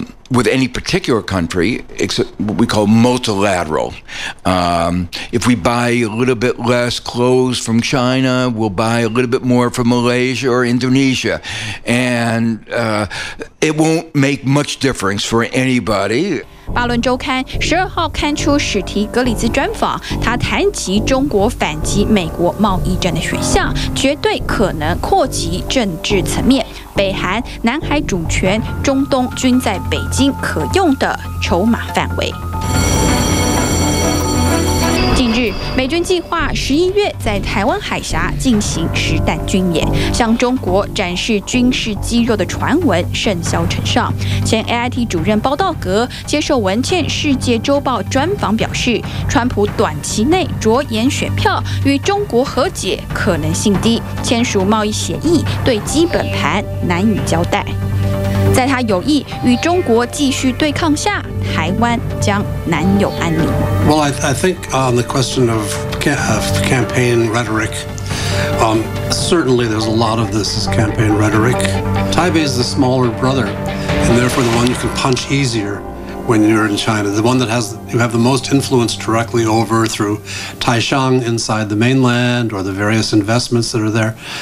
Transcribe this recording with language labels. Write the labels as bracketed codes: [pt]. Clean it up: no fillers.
[en] with any particular country, except what we call multilateral. If we buy a little bit less clothes from China, we'll buy a little bit more from Malaysia or Indonesia. And it won't make much difference for anybody. [zh] 巴伦周刊十二号刊出史提格里兹专访，他谈及中国反击美国贸易战的选项绝对可能扩及政治层面，北韩、南海主权、中东均在北京可用的筹码范围。近日，美军计划十一月在台湾海峡进行实弹军演，向中国展示军事肌肉的传闻甚嚣尘上。前 AIT 主任包道格接受文茜《世界周报》专访表示，川普短期内着眼选票，与中国和解可能性低，签署贸易协议对基本盘难以交代。在他有意与中国继续对抗下，台湾将难有安宁。 [en] Well, I think on the question of campaign rhetoric, certainly there's a lot of this is campaign rhetoric. Taipei is the smaller brother, and therefore the one you can punch easier when you're in China. The one that has you have the most influence directly over through Taishang inside the mainland or the various investments that are there.